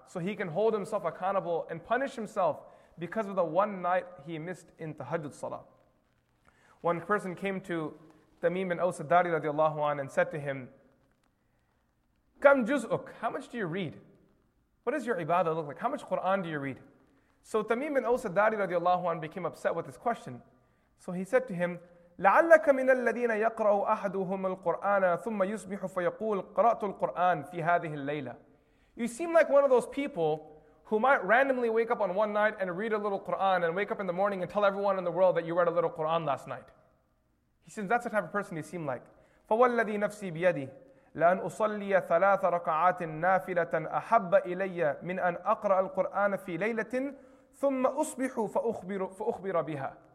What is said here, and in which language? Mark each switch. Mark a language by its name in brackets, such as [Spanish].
[English] So he can hold himself accountable and punish himself because of the one night he missed in tahajjud salah. One person came to Tamim bin Aws ad-Dari radiallahu anhu and said to him, [Arabic] كَمْ جُزْءُكْ. [English] How much do you read? What does your ibadah look like? How much Quran do you read? So Tamim bin Aws ad-Dari radiallahu anhu became upset with this question. So he said to him, [Arabic] لَعَلَّكَ مِنَ الَّذِينَ يَقْرَأُ أَحَدُهُمَ الْقُرْآنَ ثُمَّ يُسْبِحُ فَيَقُولُ قَرَأْتُ الْقُرْآنَ فِي هَذِهِ اللَّيْلَةِ. [English] You seem like one of those people who might randomly wake up on one night and read a little Quran and wake up in the morning and tell everyone in the world that you read a little Quran last night. He says, that's the type of person you seem like. [Arabic] فَوَالَّذِي نَفْسِي بِيَدِي لَأَنْ أُصَلِّيَ ثَلَاثَ رَكَعَاتٍ نَافِلَةً أَحَبَّ إِلَيَّ مِنْ أَنْ أَقْرَأَ الْقُرْآنَ فِي لَيْلَةٍ ثُمَّ أُصْبِحُ فَأُخْبِرَ بِهَا.